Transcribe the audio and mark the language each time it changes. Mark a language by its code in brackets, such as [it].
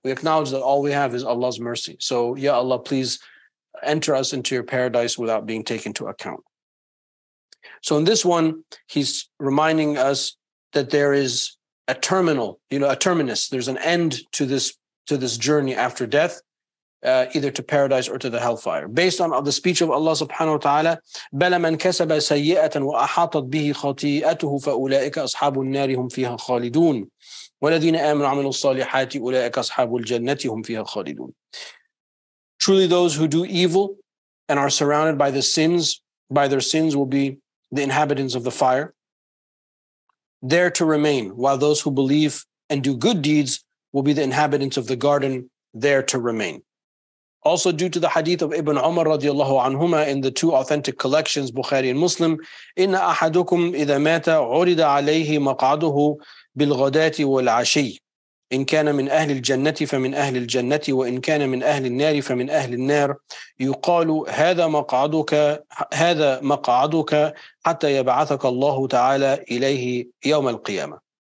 [en] We acknowledge that all we have is Allah's mercy. So, ya Allah, please enter us into your paradise without being taken to account. So in this one, he's reminding us that there is a terminal, you know, a terminus. There's an end to this journey after death, either to paradise or to the hellfire. Based on the speech of Allah subhanahu wa ta'ala, [ar] بَلَ مَنْ كَسَبَ سَيِّئَةً وَأَحَاطَتْ بِهِ خَطِيئَتُهُ فَأُولَئِكَ أَصْحَابُ النَّارِ هُمْ فِيهَا خَالِدُونَ وَالَّذِينَ آمَنُوا وَعَمِلُوا الصَّالِحَاتِ أُولَئِكَ أَصْحَابُ الْجَنَّةِ هُمْ فِيهَا خَالِدُونَ. [en] Truly those who do evil and are surrounded by the sins, by their sins, will be the inhabitants of the fire, there to remain, while those who believe and do good deeds will be the inhabitants of the garden, there to remain. Also, due to the hadith of Ibn Umar radiallahu anhuma in the two authentic collections, Bukhari and Muslim, [ar] إِنَّ أَحَدُكُمْ إِذَا مَاتَ عُرِدَ عَلَيْهِ مَقْعَدُهُ بِالْغَدَاتِ وَالْعَشِيِّ إِنْ كَانَ مِنْ أَهْلِ الْجَنَّةِ فَمِنْ أَهْلِ الْجَنَّةِ وَإِنْ كَانَ مِنْ أَهْلِ النَّارِ فَمِنْ أَهْلِ النَّارِ يُقَالُ هَذَا مَقْعَدُكَ حَتَّى يَبْعَثَكَ اللَّهُ تَعَالَى إِلَيْهِ يَوْمَ الْقِيَامَةِ.